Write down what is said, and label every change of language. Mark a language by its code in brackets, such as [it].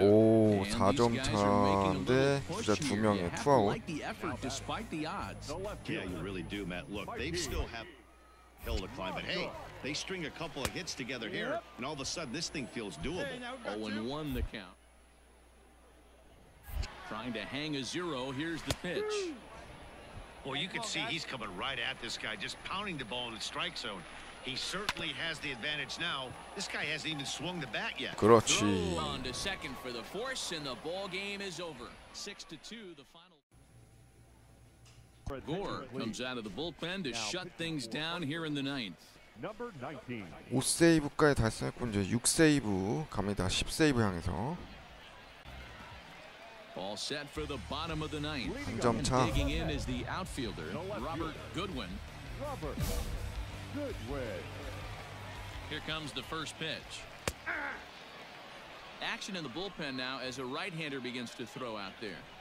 [ko] 오, 4점 차인데 주자 두 명에 투아웃. [en] Yeah, you really do, Matt. Look, they've still have hill to climb, but hey, they string a couple of hits together here and all of a sudden this thing feels doable. 0-1 the count. Trying to hang a zero. Here's the pitch. Well, you can see he's coming right at this guy, just pounding the ball in the strike zone. He certainly has the advantage now. This guy hasn't even swung the bat yet. [ko] 그렇지. [en] On to second for the force, and the ball game is over. 6-2, the final. Gore comes out of the bullpen to shut things down here in the ninth. Number 19. [ko] 5세이브까지 달성했고 이제 6세이브 갑니다. 10세이브 향해서. [en] All set for the bottom of the ninth. [ko] 한 점 차. [en] Digging in is the outfielder, Robert Goodwin. Robert Goodwin. Here comes the first pitch. Action in the bullpen now as a right-hander begins to throw out there.